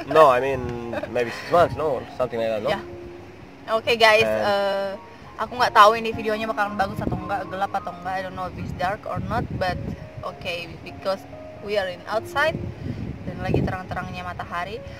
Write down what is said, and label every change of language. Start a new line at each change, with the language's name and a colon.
English: No, I mean maybe 6 months, no, or something like that. No? Yeah. Okay, guys.
Indonesian: Aku nggak tahu ini videonya bakalan bagus atau enggak, gelap atau enggak.
English: I don't know if it's dark or not, but okay, because we are in outside
Indonesian: dan lagi terang-terangnya matahari.